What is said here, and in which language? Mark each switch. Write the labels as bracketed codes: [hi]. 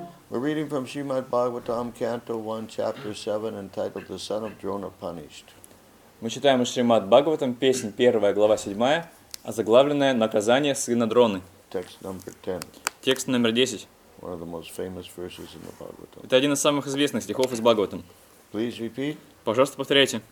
[en] We're reading from Srimad Bhagavatam, Canto 1, Chapter 7, entitled The Son of Drona Punished. [ru] Мы читаем Шримад Бхагаватам, песнь 1, глава 7, озаглавленная «Наказание сына Дроны». Текст номер 10. [en] One of the most famous verses in the Bhagavatam. [ru] Это один из самых известных стихов из Бхагаватам. [en] Please repeat. [ru] Пожалуйста, повторяйте.